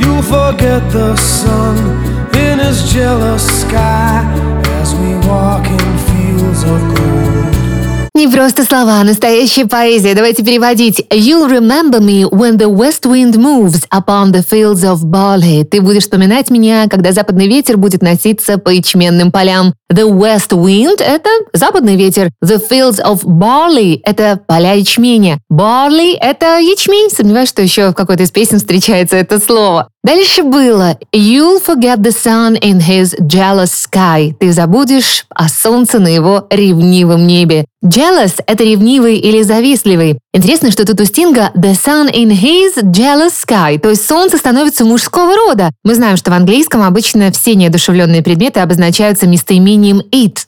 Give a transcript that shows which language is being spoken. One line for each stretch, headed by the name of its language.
English: Forget the sun in his jealous sky as we walk in fields of gold.
Russian: Не просто слова, а настоящая поэзия. Давайте переводить.
English: You'll remember me when the west wind moves upon the fields of barley.
Russian: Ты будешь вспоминать меня, когда западный ветер будет носиться по ячменным полям.
English: The west wind
Russian: — это западный ветер.
English: The fields of barley
Russian: — это поля ячменя. Barley — это ячмень. Сомневаюсь, что еще в какой-то из песен встречается это слово. Дальше было.
English: You'll forget the sun in his jealous sky.
Russian: Ты забудешь о солнце на его ревнивом небе. Jealous – это ревнивый или завистливый. Интересно, что тут у Стинга
English: «the sun in his jealous sky»,
Russian: то есть солнце становится мужского рода. Мы знаем, что в английском обычно все неодушевленные предметы обозначаются местоимением «it».